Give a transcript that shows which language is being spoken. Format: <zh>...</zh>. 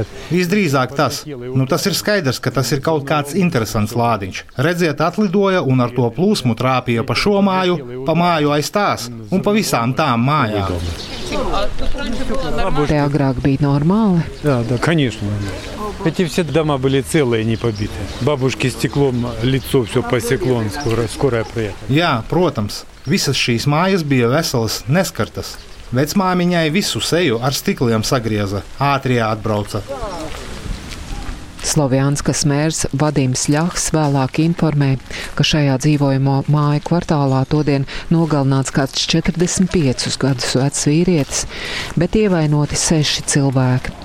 <lv>Visdrīzāk tas. Nu, tas ir skaidrs, ka tas ir kaut kāds interesants lādiņš. Redziet, atlidoja un ar to plūsmu trāpīja pa šo māju, pa māju aiz tās un pa visām tām mājām. Te agrāk bija normāli? Jā, kanīšu.</lv> <ru>Эти все дома были целые, не побитые. Бабушки стеклом лицо все посекло, скорая приехала.</ru> <lv>Jā, protams. Visas šīs mājas bija veselas, neskartas. Vecmāmiņai visu seju ar stikliem sagrieza. Ātri atbrauca. Slovjanskas mērs Vadims Ļahs vēlāk informē, ka šajā dzīvojamo māju kvartālā todien nogalināts kāds 45 gadus vecs vīrietis, bet ievainoti 6 cilvēki.</lv>